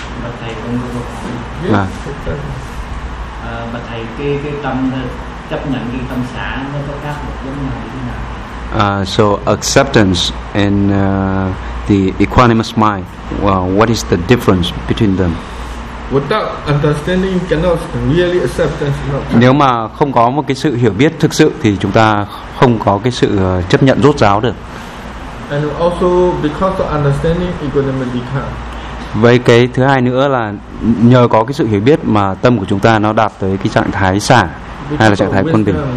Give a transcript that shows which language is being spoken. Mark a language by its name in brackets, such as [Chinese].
[Vietnamese] Bạch thầy cũng có một câu hỏi. Bạch thầy, cái tâm chấp nhận cái tâm xả nó có khác một giống nào như thế nào? [English] So acceptance and the equanimous mind, well, what is the difference between them? Without understanding, cannot really acceptance. [Vietnamese] Nếu mà không có một cái sự hiểu biết thực sự thì chúng ta không có cái sự chấp nhận rốt ráo được. [English] And also because of understanding, equanimous mind. [Vietnamese] Với cái thứ hai nữa là nhờ có cái sự hiểu biết mà tâm của chúng ta nó đạt tới cái trạng thái xả. Hay là trạng thái quân bình.